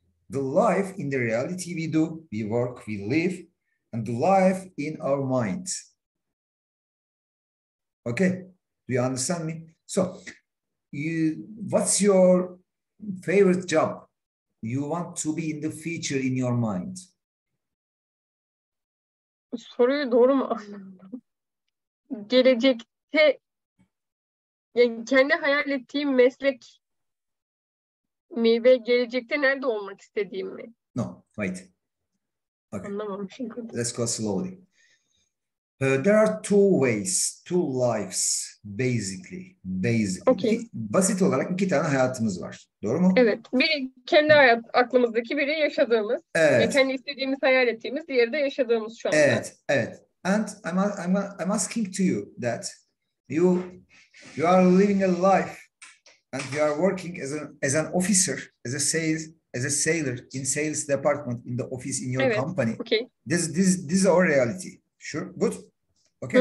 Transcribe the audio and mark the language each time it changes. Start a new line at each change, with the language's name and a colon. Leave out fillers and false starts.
English: The life in the reality we do, we work, we live, and the life in our mind. Okay, do you understand me? So, what's your favorite job you want to be in the future in your mind?
Turkish: Soruyu doğru mu anladım? Gelecekte yani kendi hayal ettiğim meslek mi ve gelecekte nerede olmak istediğim mi?
English: No, wait.
Turkish: Okay. Anlamamışım.
English: Let's go slowly. There are two ways, two lives basically. Okay.
Turkish: Basit olarak iki tane hayatımız var. Doğru mu? Evet. Biri kendi hayat aklımızdaki, biri yaşadığımız. Evet. Kendi istediğimiz, hayal ettiğimiz, diğeri de yaşadığımız şu anda. Evet. Evet.
English: And I'm asking to you that you are living a life and you are working as an officer, as a sailor in sales department in the office in your
Turkish: evet.
English: Company. Okay. This is our reality. Sure, good, okay.